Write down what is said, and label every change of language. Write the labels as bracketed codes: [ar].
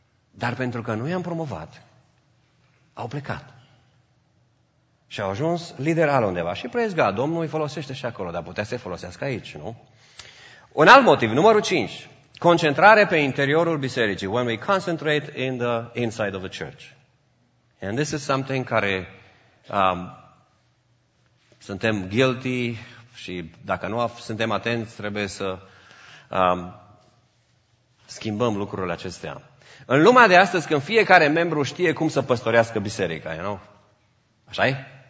[ro] Dar pentru că nu i-am promovat, au plecat. Și au ajuns lider alundeva. Și [en] praise God, [ro] Domnul îi folosește și acolo, dar putea să-i folosească aici, nu? Un alt motiv, numărul 5. Concentrare pe interiorul bisericii. [en] When we concentrate in the inside of the church. And this is something [ro] care suntem guilty și dacă nu suntem atenți, trebuie să schimbăm lucrurile acestea. În lumea de astăzi, când fiecare membru știe cum să păstorească biserica, [en] you know? [ro] Așa e?